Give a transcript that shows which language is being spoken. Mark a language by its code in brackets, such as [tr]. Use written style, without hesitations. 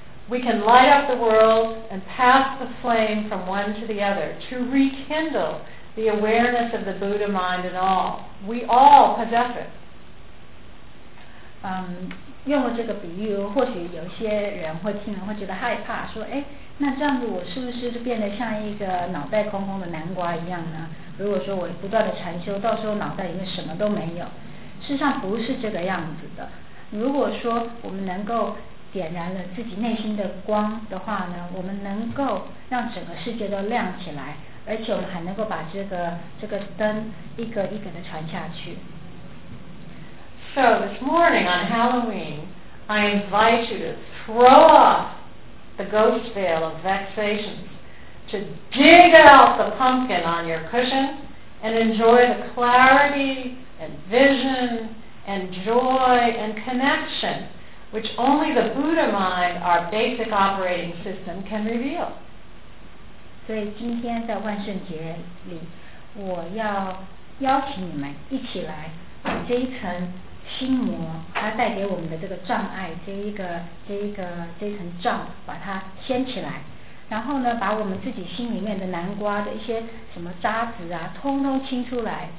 [en] We can light up the world and pass the flame from one to the other to rekindle the awareness of the Buddha mind in all. We all possess it. [zh] 用了这个比喻，或许有些人会听了会觉得害怕，说：“哎，那这样子我是不是就变得像一个脑袋空空的南瓜一样呢？如果说我不断的禅修，到时候脑袋里面什么都没有。” 事实上不是这个样子的。如果说我们能够点燃了自己内心的光的话呢，我们能够让整个世界都亮起来，而且我们还能够把这个灯一个一个的传下去。 [en] So this morning on Halloween, I invite you to throw off the ghost veil of vexations, to dig out the pumpkin on your cushion, and enjoy the clarity and vision and joy and connection which only the Buddha mind, our basic operating system, can reveal. [zh] 所以今天在万圣节里，我要邀请你们一起来把这一层心魔它带给我们的这个障碍，这一层障，把它掀起来，然后呢，把我们自己心里面的南瓜的一些什么渣子啊，通通清出来。